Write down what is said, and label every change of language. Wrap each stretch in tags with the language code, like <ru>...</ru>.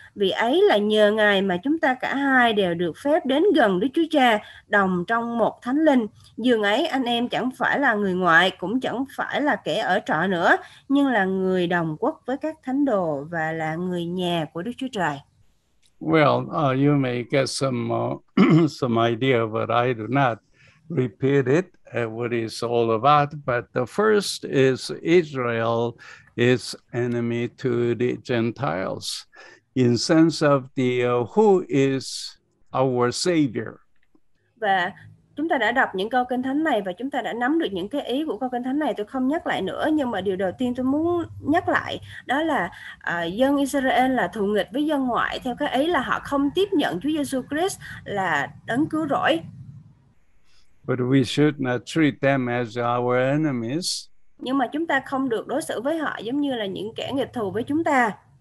<vi>Vì ấy là nhờ Ngài mà chúng ta cả hai đều được phép đến gần Đức Chúa Cha, đồng trong một thánh linh. Dường ấy anh em chẳng phải là người ngoại, cũng chẳng phải là kẻ ở trọ nữa, nhưng là người đồng quốc với các thánh đồ và là người nhà của Đức Chúa Trời.</vi> <en>Well, you may get some idea, but I do not repeat it, what it's all about. But the first is Israel is enemy to the Gentiles, in sense of the who is our Savior.</en> <vi>Và chúng ta đã đọc những câu kinh thánh này và chúng ta đã nắm được những cái ý của câu kinh thánh này. Tôi không nhắc lại nữa, nhưng mà điều đầu tiên tôi muốn nhắc lại đó là dân Israel là thù nghịch với dân ngoại theo cái ý là họ không tiếp nhận Chúa Giêsu Christ là đấng cứu rỗi.</vi> <en>But we should not treat them as our enemies.</en> <vi>Nhưng mà chúng ta không được đối xử với họ giống như là những kẻ nghịch thù với chúng ta.</vi>